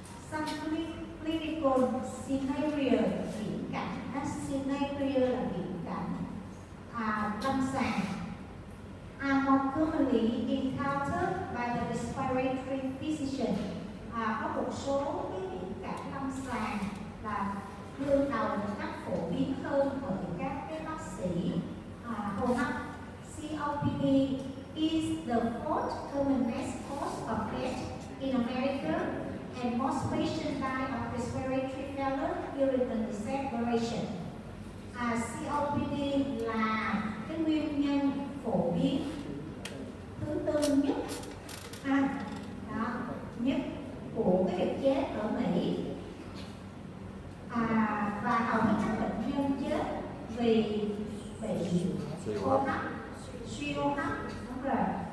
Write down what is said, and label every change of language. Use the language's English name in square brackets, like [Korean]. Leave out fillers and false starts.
[English] Some clinical scenario [Vietnamese] viễn cảnh, [English] scenario [Vietnamese] là viễn cảnh lâm sàng, [English] are more commonly encountered by the respiratory physician. [Vietnamese] Có một số cái viễn cảnh lâm sàng là thường đầu các phổ biến hơn bởi các cái bác sĩ. [English] COPD is the fourth commonest cause of death in America, and most patients die of respiratory failure during the respiration. [Vietnamese] COPD là cái nguyên nhân phổ biến thứ tư nhất, đó nhất của cái việc chết ở Mỹ. Và hầu hết các bệnh nhân chết vì suy hô hấp, đúng rồi.